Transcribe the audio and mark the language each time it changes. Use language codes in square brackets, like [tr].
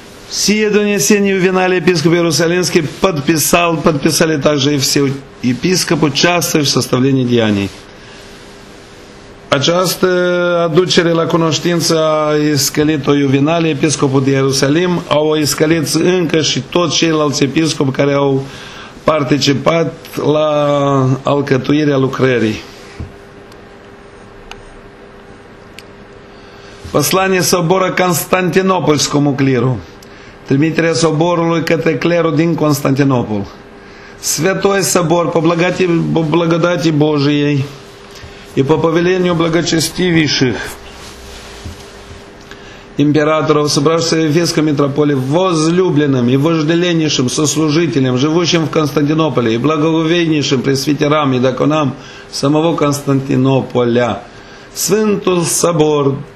[ru] Сие донесение ювенальный епископ Иерусалимский подписал, подписали также и все епископы, участвующие в составлении деяний. [ro] Această aducere la cunoștință a iscălit-o Iuvenalie, episcopul de Ierusalim, au iscălit încă și toți ceilalți episcopi care au participat la alcătuirea lucrării. [ru] Păslanie Sobora Constantinopolskomu cliru. [ro] Trimiterea Soborului către clerul din Constantinopol. [ru] Sfetoi Sobor, po blagodati Božiei, и по повелению благочестивейших императоров, собравшихся в Ефесской митрополии, возлюбленным и вожделеннейшим сослужителям, живущим в Константинополе, и благоговейнейшим пресвитерам и диаконам самого Константинополя, [ro] Свинтул Собор,